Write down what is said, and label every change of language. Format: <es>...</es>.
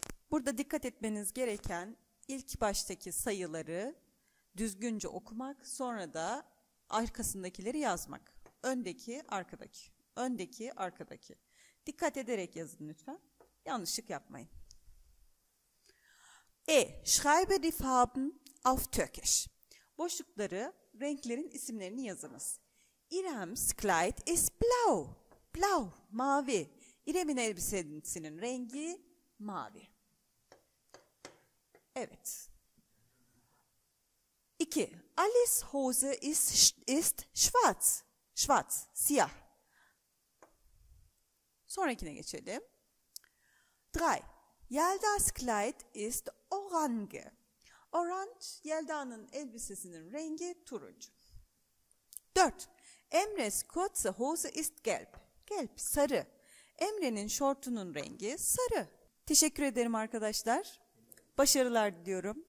<tr>Burada dikkat etmeniz gereken ilk baştaki sayıları düzgünce okumak, sonra da arkasındakileri yazmak. Öndeki, arkadaki. Öndeki, arkadaki. Dikkat ederek yazın lütfen. Yanlışlık yapmayın. E.</tr> <de>Schreibe die Farben auf Türkisch.</de> <tr>Boşlukları, renklerin isimlerini yazınız.</tr> <de>İrem's Kleid ist blau.</de> <tr>Blau, mavi. İrem'in elbisesinin rengi mavi. Evet.</tr> <de>2. Alice Hose ist schwarz. Schwarz, siyah.</de> <tr>Sonrakine geçelim. 3.</tr> <de>Yelda's Kleid ist orange.</de> <tr>Orange, Yelda'nın elbisesinin rengi turuncu. 4.</tr> <de>Emre's kurze Hose ist gelb.</de> <tr>Gelb, sarı. Emre'nin şortunun rengi sarı. Teşekkür ederim arkadaşlar. Başarılar diliyorum.</tr>